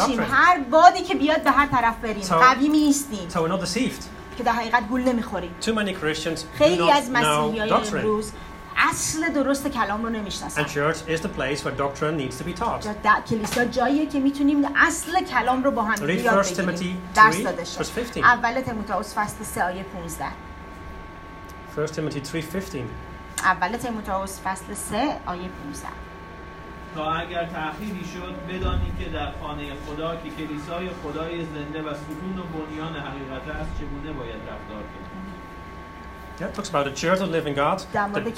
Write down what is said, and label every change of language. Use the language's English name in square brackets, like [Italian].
[Persian] هر بادی که بیاد به هر طرف بریم قوی میستیم. [English] So we're not deceived. [Persian] که در حقیقت گول نمیخوریم. [English] Too many Christians do not know doctrine. [Persian] خیلی از مسیحیان امروز اصل درست کلام رو نمیشناسن. [English] And church is the place where doctrine needs to be taught. [Persian] کلیسا جاییه که میتونیم اصل کلام رو با هم یاد بگیریم. [English] First Timothy 3:15. [Persian] اول تیموتائوس فصل 3 آیه 15. [English] First Timothy 3:15. [Persian] اول تیموتائوس فصل 3 آیه 15. تا اگر تأخیری شد بدانید که در خانه خدا که کلیسای خدای زنده و ستون و بنیان حقیقت است چگونه باید رفتار کنید. [English] Yeah, it talks about the church of the living God, the